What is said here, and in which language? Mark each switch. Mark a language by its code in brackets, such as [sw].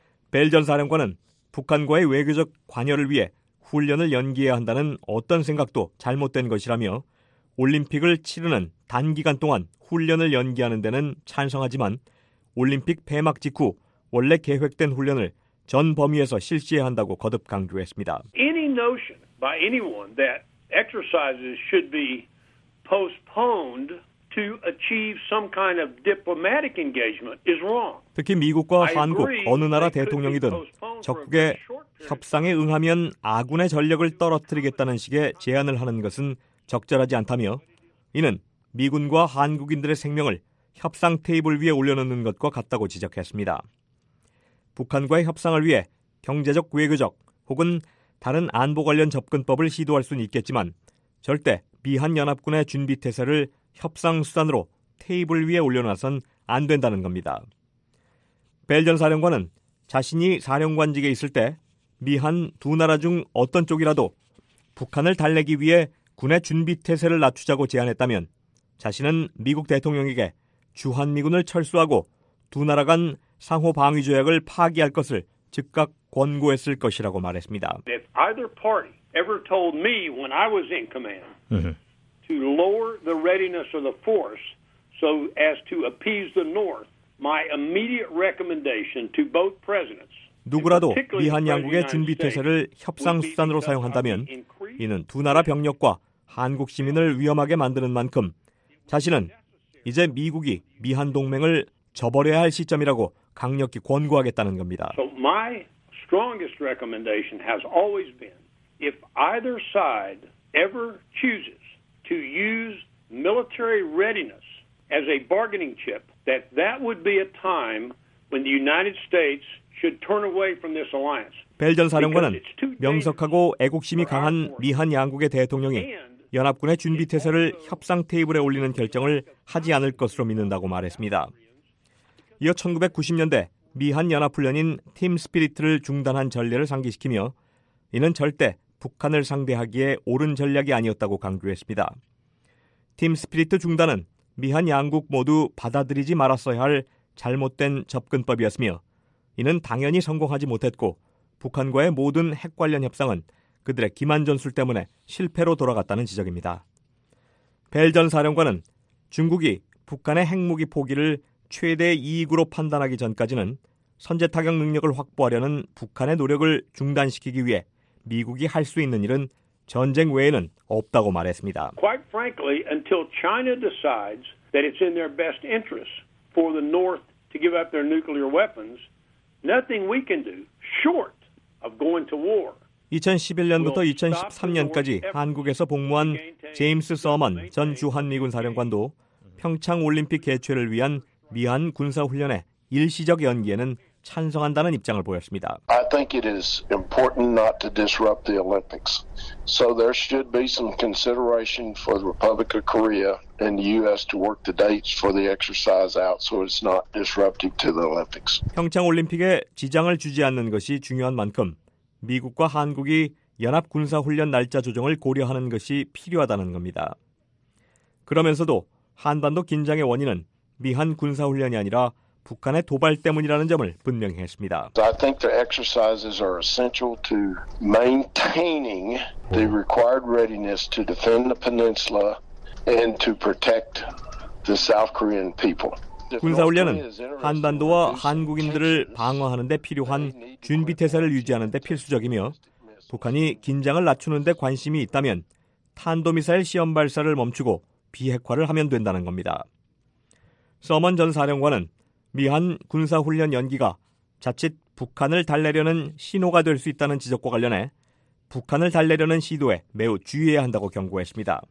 [ko] 벨 전 사령관은 북한과의 외교적 관여를 위해 훈련을 연기해야 한다는 어떤 생각도 잘못된 것이라며 올림픽을 치르는 단기간 동안 훈련을 연기하는 데는 찬성하지만 올림픽 폐막 직후 원래 계획된 훈련을 전 범위에서 실시해야 한다고 거듭 강조했습니다. [en] Any notion by anyone that exercises should be postponed to achieve some kind of diplomatic engagement is wrong. [ko] 특히 미국과 한국 어느 나라 대통령이든 적국의 협상에 응하면 아군의 전력을 떨어뜨리겠다는 식의 제안을 하는 것은 적절하지 않다며 이는 미군과 한국인들의 생명을 협상 테이블 위에 올려놓는 것과 같다고 지적했습니다. 북한과의 협상을 위해 경제적 외교적 혹은 다른 안보 관련 접근법을 시도할 수는 있겠지만 절대 미한 연합군의 준비 태세를 협상 수단으로 테이블 위에 올려놔선 안 된다는 겁니다. 벨 전 사령관은 자신이 사령관직에 있을 때 미한 두 나라 중 어떤 쪽이라도 북한을 달래기 위해 군의 준비 태세를 낮추자고 제안했다면 자신은 미국 대통령에게 주한미군을 철수하고 두 나라 간 상호 방위 조약을 파기할 것을 즉각 권고했을 것이라고 말했습니다. [en] If either party ever told me when I was in command to lower the readiness of the force so as to appease the North, my immediate recommendation to both presidents. [ko] 누구라도 미한 양국의 준비 태세를 협상 수단으로 사용한다면 이는 두 나라 병력과 한국 시민을 위험하게 만드는 만큼 자신은 이제 미국이 미한 동맹을 저버려야 할 시점이라고 강력히 권고하겠다는 겁니다. [en] So my strongest recommendation has always been if either side ever chooses to use military readiness as a bargaining chip, that that would be a time when the United States should turn away from this alliance. [ko] 벨 전 사령관은 명석하고 애국심이 강한 미한 양국의 대통령이 연합군의 준비 태세를 협상 테이블에 올리는 결정을 하지 않을 것으로 믿는다고 말했습니다. 이어 1990년대 미한 연합훈련인 팀 스피릿을 중단한 전례를 상기시키며 이는 절대 북한을 상대하기에 옳은 전략이 아니었다고 강조했습니다. 팀 스피릿 중단은 미한 양국 모두 받아들이지 말았어야 할 잘못된 접근법이었으며 이는 당연히 성공하지 못했고 북한과의 모든 핵 관련 협상은 그들의 기만 전술 때문에 실패로 돌아갔다는 지적입니다. 벨 전 사령관은 중국이 북한의 핵무기 포기를 최대 이익으로 판단하기 전까지는 선제 타격 능력을 확보하려는 북한의 노력을 중단시키기 위해 미국이 할 수 있는 일은 전쟁 외에는 없다고 말했습니다. [en] Quite frankly, until China decides that it's in their best interest for the North to give up their nuclear weapons, nothing we can do short of going to war. [ko] 2011년부터 2013년까지 한국에서 복무한 제임스 서먼 전 주한미군 사령관도 평창올림픽 개최를 위한 미한 군사훈련의 일시적 연기에는 찬성한다는 입장을 보였습니다. [en] I think it is important not to disrupt the Olympics. So there should be some consideration for the Republic of Korea and the U.S. to work the dates for the exercise out so it's not disruptive to the Olympics. [ko] 평창올림픽에 지장을 주지 않는 것이 중요한 만큼 미국과 한국이 연합군사훈련 날짜 조정을 고려하는 것이 필요하다는 겁니다. 그러면서도 한반도 긴장의 원인은 미한 군사훈련이 아니라 북한의 도발 때문이라는 점을 분명히 했습니다. [en] I think the exercises are essential to maintaining the required readiness to defend the peninsula and to protect the South Korean people. [ko] 군사훈련은 한반도와 한국인들을 방어하는 데 필요한 준비태세를 유지하는 데 필수적이며 북한이 긴장을 낮추는 데 관심이 있다면 탄도미사일 시험 발사를 멈추고 비핵화를 하면 된다는 겁니다. 서먼 전 사령관은 미한 군사훈련 연기가 자칫 북한을 달래려는 신호가 될 수 있다는 지적과 관련해 북한을 달래려는 시도에 매우 주의해야 한다고 경고했습니다.